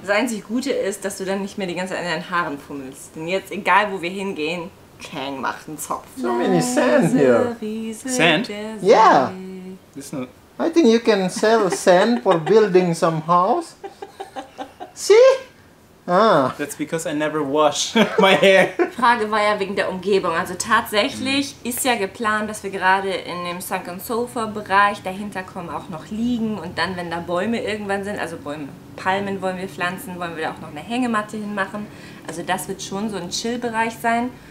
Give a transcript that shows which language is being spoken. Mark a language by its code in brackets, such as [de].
[de] Das einzig Gute ist, dass du dann nicht mehr die ganze Zeit an deinen Haaren fummelst. Denn jetzt, egal wo wir hingehen, Cheng macht einen Zopf. [en] So many sand here. Sand? Yeah. I think you can sell sand for building some house. See? That's because I never wash my hair. [de] Frage war ja wegen der Umgebung. Also tatsächlich ist ja geplant, dass wir gerade in dem Sunken Sofa Bereich dahinter kommen, auch noch liegen und dann, wenn da Bäume irgendwann sind, also Bäume, Palmen wollen wir pflanzen, wollen wir da auch noch eine Hängematte hinmachen. Also das wird schon so ein Chill-Bereich sein.